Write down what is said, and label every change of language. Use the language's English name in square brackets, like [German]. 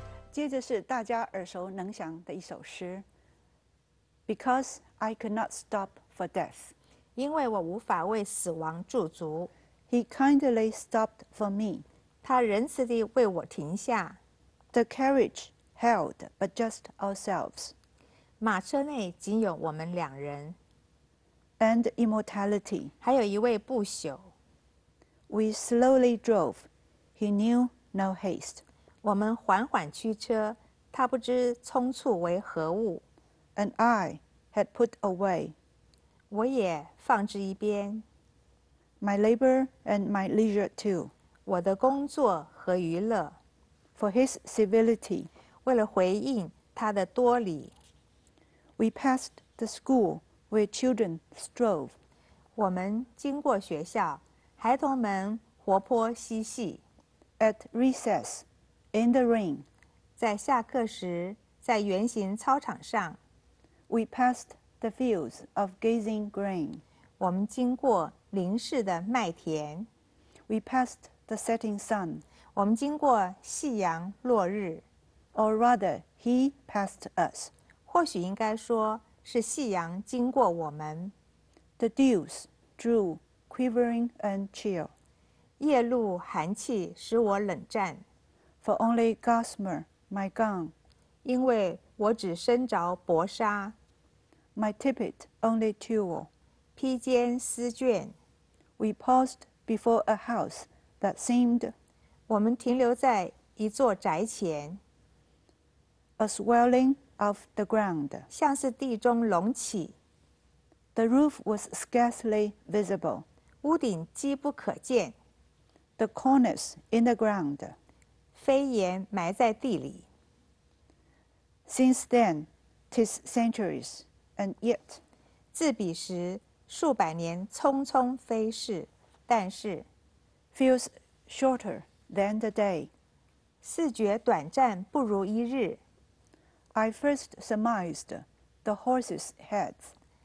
[Chinese] 接着是大家耳熟能详的一首诗 [English] Because I could not stop for death， [Chinese] 因为我无法为死亡驻足。 [English] He kindly stopped for me， [Chinese] 他仁慈地为我停下。 [English] The carriage held but just ourselves， [Chinese] 马车内仅有我们两人。 [English] And immortality. [Chinese] 还有一位不朽。 [English] We slowly drove. He knew no haste. [Chinese] 我们缓缓驱车，他不知匆促为何物。 [English] And I had put away. [Chinese] 我也放置一边。 [English] My labor and my leisure too. [Chinese] 我的工作和娱乐。 [English] For his civility. [Chinese] 为了回应他的多礼。 [English] We passed the school where children strove. [Chinese] 我们经过学校，孩童们活泼嬉戏。 [English] At recess, in the rain. [Chinese] 在下课时，在圆形操场上。 [English] We passed the fields of gazing grain. [Chinese] 我们经过凝视的麦田。 [English] We passed the setting sun. [Chinese] 我们经过夕阳落日。 [English] Or rather, he passed us. [Chinese] 或许应该说是夕阳经过我们。 [English] The dews drew quivering and chill. [Chinese] 夜露寒气使我冷战。 [English] For only gossamer my gown. [Chinese] 因为我只身着薄纱。 [English] My tippet only tulle. [Chinese] 披肩丝绢。 [English] We paused before a house that seemed. [Chinese] 我们停留在一座宅前。 [English] A swelling. Of the ground, [Chinese] 像是地中隆起。 [English] The roof was scarcely visible. [Chinese] 屋顶几不可见。 [English] The cornice in the ground, [Chinese] 飞檐埋在地里。 [English] Since then, 'tis centuries, and yet, [Chinese] 自彼时数百年匆匆飞逝，但是 [English] feels shorter than the day. [Chinese] 视觉短暂不如一日。 [English] I first surmised the horse's heads.